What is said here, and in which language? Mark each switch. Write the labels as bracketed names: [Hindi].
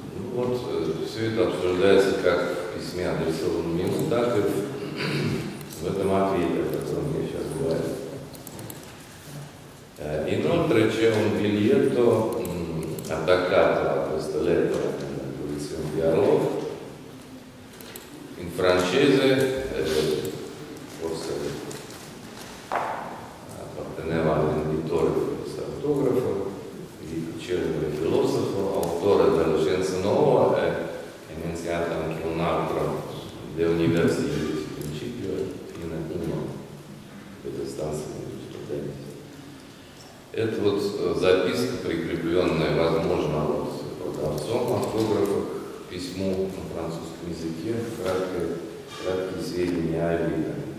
[Russian] Вот все это обсуждается как в письме, адресованном ему, так и в этом ответе, о котором я сейчас говорю. [Italian] Inoltre c'è un biglietto attaccato a questa lettera della collezione di Arlov, in francese, forse apparteneva all'editore di questo autografo, di celebre filosofo, autore della Scienza Nuova, è menzionato anche un altro de Universi Iuris Principio, in uno delle stanze di giurisprudenza. [Russian] Это вот записка, прикрепленная, возможно, вот продавцом автографа к письму на французском языке, краткие сведения о Вине.